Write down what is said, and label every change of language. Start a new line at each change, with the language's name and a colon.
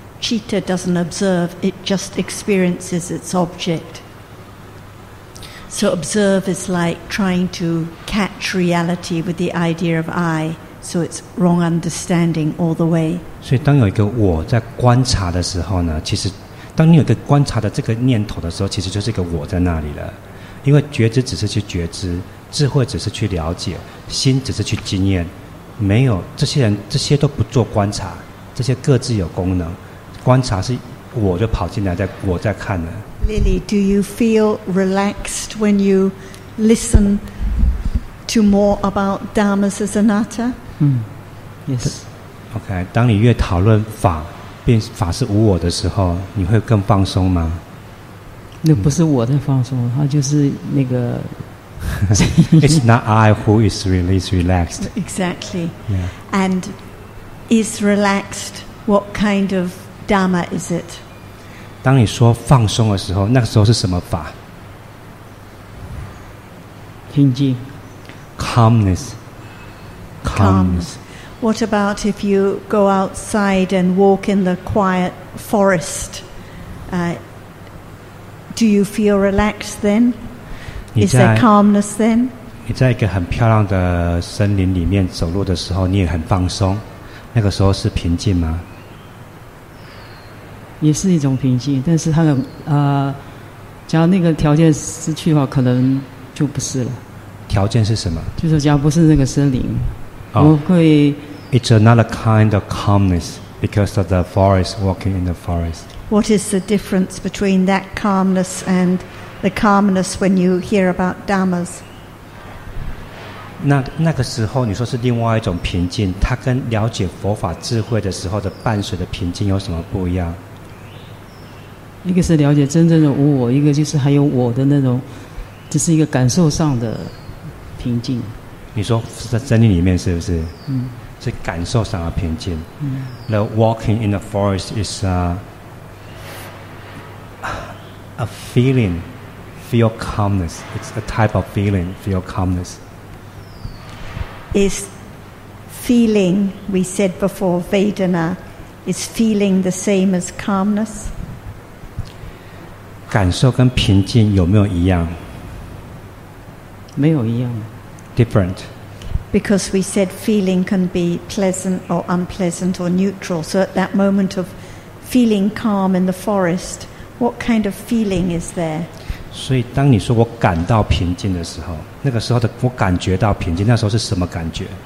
English: Citta doesn't observe, it just experiences its object. So observe is like trying to catch reality with the idea of I. So it's wrong understanding all the way.
Chinese: 所以当有一个我在观察的时候呢，其实当你有一个观察的这个念头的时候，其实就是一个我在那里了。因为觉知只是去觉知，智慧只是去了解，心只是去经验，没有这些人，这些都不做观察，这些各自有功能。观察是我就跑进来，在我在看呢。
English: Lily, do you feel relaxed when you listen to more about Dharma's as anatta? Yes. Okay.
Chinese: 当你越讨论法，变法是无我的时候，你会更放松吗？那不是我在放松，它就是那个。
English: It's not I who is released, relaxed. Exactly.、 Yeah. And is relaxed? What kind of dharma is it?
Chinese: 当你说放松的时候，那个时候是什么法？平静。
English: Calmness. Calmness. What about if you go outside and walk in the quiet forest? Do you feel relaxed then? Is there calmness then?
Chinese: 你在一个很漂亮的森林里面走路的时候，你也很放松，那个时候是平静吗？也是一种平静，但是它的假如那个条件失去的话，可能就不是了。条件是什么？就是假如不是那个森林，我会。
English: It's another kind of calmness because of the forest, walking in the forest. What is the difference between that calmness and the calmness when you hear about dhammas?
Chinese: 那个时候你说是另外一种平静，它跟了解佛法智慧的时候的伴随的平静有什么不一样？一个是了解真正的无我，一个就是还有我的那种，只是一个感受上的平静。你说是在森林里面是不是？嗯，是感受上的平静。嗯
English: ，The walking in the forest is a feeling, feel calmness. It's a type of feeling, feel calmness. Is feeling we said before vedana, is feeling the same as calmness?
Chinese: 感受跟平静有没有一样？没有一样。
English: Different. Because we said feeling can be pleasant or unpleasant or neutral. So at that moment of feeling calm in the forest, what kind of feeling is there?
Chinese: 所以当你说我感到平静的时候，那个时候的我感觉到平静，那时候是什么感觉？